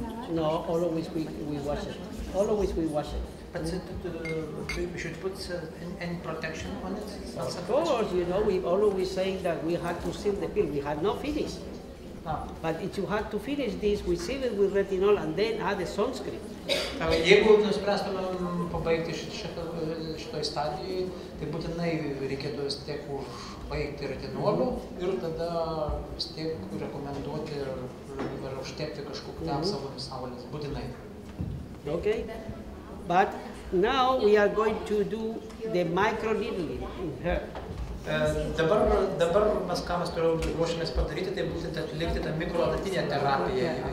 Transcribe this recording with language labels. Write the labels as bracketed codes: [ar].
[en] No, always we wash it. But we should put any protection on it? Of course, you know, we always say that we have to seal the peel. We have not finished. But if you have to finish this, we seal it with retinol and then add the sunscreen. [lt] Jeigu nuspręstume pabaigti šitoj stadijoje, tai būtinai reikėtų vis tiek užbaigti retinolų ir tada vis tiek rekomenduoti ir užtepti kažkokį ten savo saulės, būtinai. [en] Okay, but now we are going to do the microneedling in her. [lt] Dabar mes ką mes turėjau ruošimės padaryti, tai būtent atlikti tą mikroadatinę terapiją.